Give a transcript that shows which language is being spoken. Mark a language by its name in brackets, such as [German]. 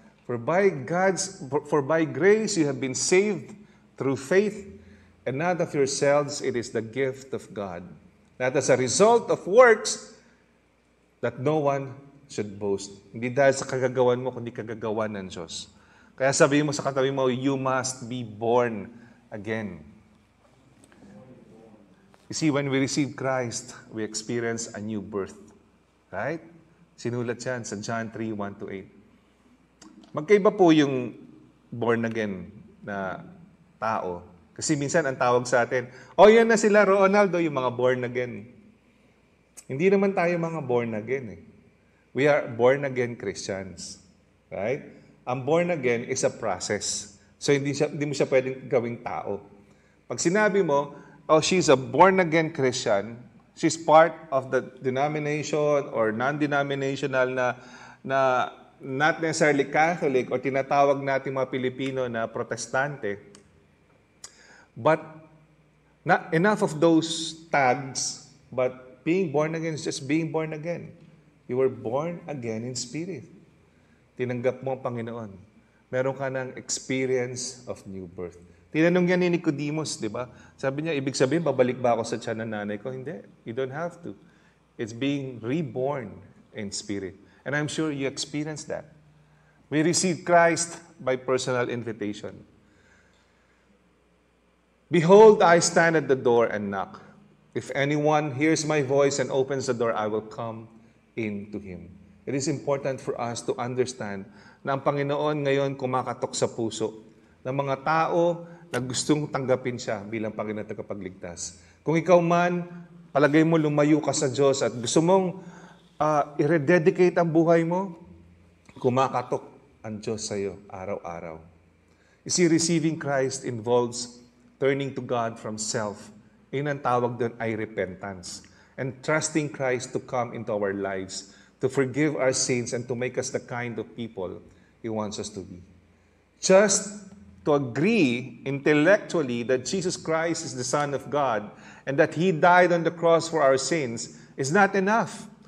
[English] For by grace, you have been saved through faith. And not of yourselves, it is the gift of God. That as a result of works, that no one should boast. [Filipino] Hindi dahil sa kagagawan mo, kundi kagagawan ng Diyos. Kaya sabi mo sa katabi mo, [English] you must be born again. You see, when we receive Christ, we experience a new birth. [Filipino] Right? Sinulat yan sa John 3:1-8. Magkaiba po yung born again na tao. Kasi minsan ang tawag sa atin, yan na sila, Ronaldo, yung mga born again. Hindi naman tayo mga [English] born again. We are born again Christians. Right? Ang born again is a process. [Filipino] So hindi mo siya pwedeng gawing tao. [English] Pag sinabi mo, oh, she's a born-again Christian, she's part of the denomination or non-denominational na not necessarily Catholic or tinatawag natin mga Pilipino na Protestante. But not enough of those tags, but being born again is just being born again. You were born again in spirit. [Filipino] Tinanggap mo ang Panginoon. Meron ka ng [English] experience of new birth. [Filipino] Tinanong niya ni Nicodemus, di ba? Sabi niya, ibig sabihin, babalik ba ako sa tiyan ng nanay ko? [English] Hindi. You don't have to. It's being reborn in spirit. And I'm sure you experienced that. We received Christ by personal invitation. Behold, I stand at the door and knock. If anyone hears my voice and opens the door, I will come in to him. It is important for us to understand [Filipino] na ang Panginoon ngayon kumakatok sa puso ng mga tao na gustong tanggapin siya bilang Panginoon at Tagapagligtas. Kung ikaw man, palagay mo lumayo ka sa Diyos at gusto mong i-rededicate ang buhay mo, kumakatok ang Diyos sa iyo araw-araw. [English] You see, receiving Christ involves turning to God from self. [Filipino] Yun ang tawag doon ay repentance. [English] And trusting Christ to come into our lives, to forgive our sins, and to make us the kind of people He wants us to be. Just to agree intellectually that Jesus Christ is the Son of God and that He died on the cross for our sins is not enough.